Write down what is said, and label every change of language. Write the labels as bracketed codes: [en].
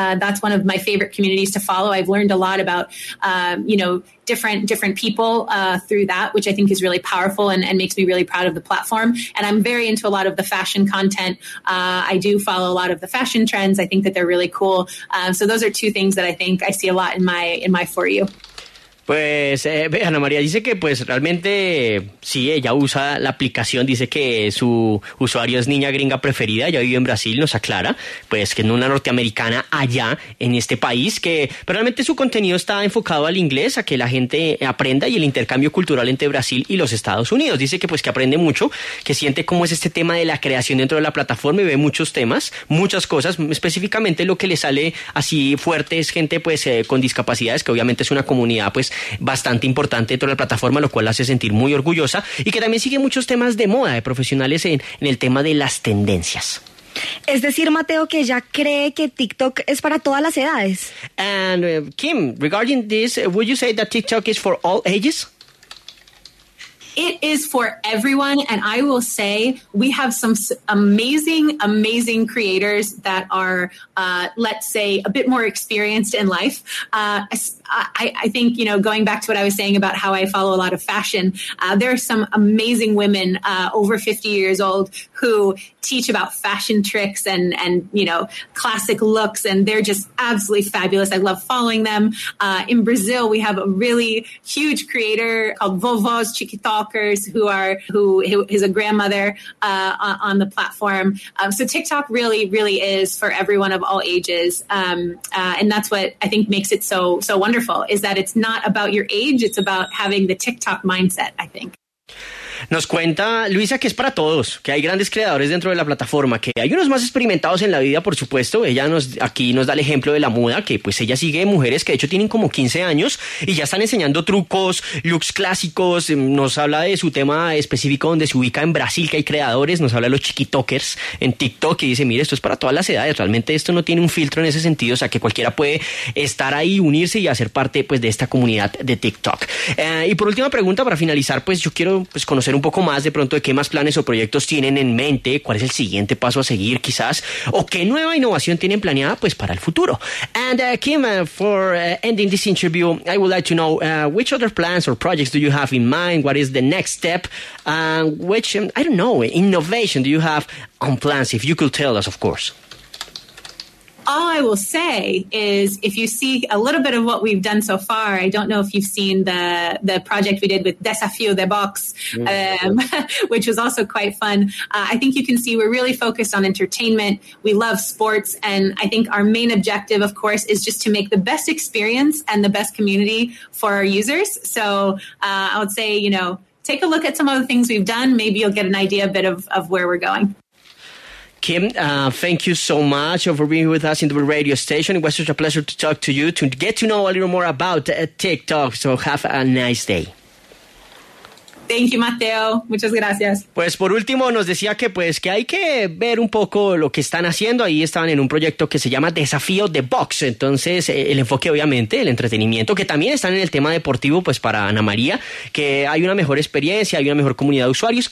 [en] That's one of my favorite communities to follow. I've learned a lot about, you know, different people through that, which I think is really powerful and makes me really proud of the platform. And I'm very into a lot of the fashion content. I do follow a lot of the fashion trends. I think that they're really cool. So those are two things that I think I see a lot in my For You. [es] Pues Ana María dice que pues realmente sí, ella usa la aplicación, dice que su usuario es niña gringa preferida, ella vive en Brasil, nos aclara, pues que no una norteamericana allá en este país, que pero realmente su contenido está enfocado al inglés, a que la gente aprenda y el intercambio cultural entre Brasil y los Estados Unidos. Dice que pues que aprende mucho, que siente cómo es este tema de la creación dentro de la plataforma y ve muchos temas, muchas cosas, específicamente lo que le sale así fuerte es gente pues con discapacidades, que obviamente es una comunidad pues bastante importante dentro de la plataforma, lo cual la hace sentir muy orgullosa, y que también sigue muchos temas de moda, de profesionales en el tema de las tendencias. Es decir, Mateo, que ya cree que TikTok es para todas las edades. [en] And Kim, regarding this, would you say that TikTok is for all ages? It is for everyone, and I will say we have some amazing, amazing creators that are, let's say, a bit more experienced in life. I think, you know, going back to what I was saying about how I follow a lot of fashion, there are some amazing women over 50 years old who teach about fashion tricks and you know, classic looks, and they're just absolutely fabulous. I love following them. In Brazil, we have a really huge creator called Vovós TikTokers, who is a grandmother on the platform. So TikTok really, really is for everyone of all ages. And that's what I think makes it so, so wonderful. Is that it's not about your age, it's about having the TikTok mindset, I think. [es] Nos cuenta Luisa que es para todos, que hay grandes creadores dentro de la plataforma, que hay unos más experimentados en la vida, por supuesto. Ella aquí nos da el ejemplo de la moda, que pues ella sigue mujeres que de hecho tienen como 15 años y ya están enseñando trucos, looks clásicos. Nos habla de su tema específico donde se ubica en Brasil, que hay creadores. Nos habla de los chiquitokers en TikTok y dice, mire, esto es para todas las edades. Realmente esto no tiene un filtro en ese sentido, o sea que cualquiera puede estar ahí, unirse y hacer parte pues de esta comunidad de TikTok. Y por última pregunta, para finalizar, pues yo quiero pues conocer un poco más de pronto de qué más planes o proyectos tienen en mente, cuál es el siguiente paso a seguir quizás, o qué nueva innovación tienen planeada pues para el futuro. [en] And Kim, for ending this interview, I would like to know which other plans or projects do you have in mind, what is the next step, and which, I don't know, innovation do you have on plans, if you could tell us, of course. All I will say is if you see a little bit of what we've done so far, I don't know if you've seen the project we did with Desafio the Box, which was also quite fun. I think you can see we're really focused on entertainment. We love sports. And I think our main objective, of course, is just to make the best experience and the best community for our users. So I would say, you know, take a look at some of the things we've done. Maybe you'll get an idea a bit of where we're going. Kim, thank you so much for being with us in the radio station. It was such a pleasure to talk to you, to get to know a little more about TikTok. So have a nice day. Thank you, Mateo. [es] Muchas gracias. Pues por último nos decía que pues que hay que ver un poco lo que están haciendo. Ahí estaban en un proyecto que se llama Desafío de Box. Entonces el enfoque obviamente, el entretenimiento, que también están en el tema deportivo pues para Ana María, que hay una mejor experiencia, hay una mejor comunidad de usuarios.